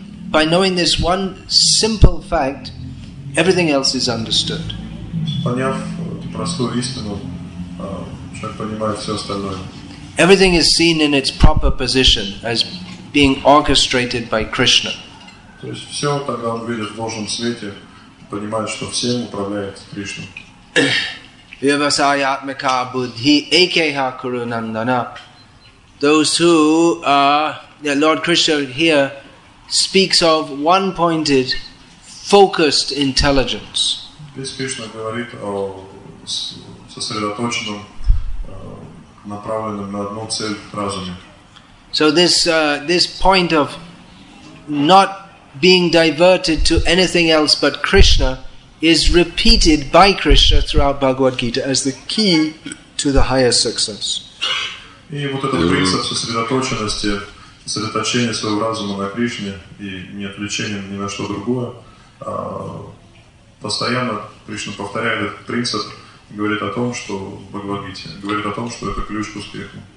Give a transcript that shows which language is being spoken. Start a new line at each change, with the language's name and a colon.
English: By knowing this one simple fact, everything else is understood.
Russian: Поняв эту простую истину, человек понимает все остальное.
English: Everything is seen in its proper position as being orchestrated by Krishna.
Russian: То есть все тогда он видит в должном свете, понимает, что всем управляет Кришна.
Sanskrit: Vyavasayatmaka buddhi ekeha kuru nandana.
English: Those who are, yeah, Lord Krishna here, speaks of one-pointed, focused intelligence.
Russian: Здесь Кришна говорит о сосредоточенном, направленном на одну цель разуме.
English: So this point of not being diverted to anything else but Krishna is repeated by Krishna throughout Bhagavad Gita as the key to the highest success.
Russian: И вот этот принцип сосредоточенности. Сосредоточение своего разума на Кришне и не отвлечение ни на что другое, постоянно Кришна повторяет этот принцип и говорит о том, что Бхагавад-гите, говорит о том, что это ключ к успеху.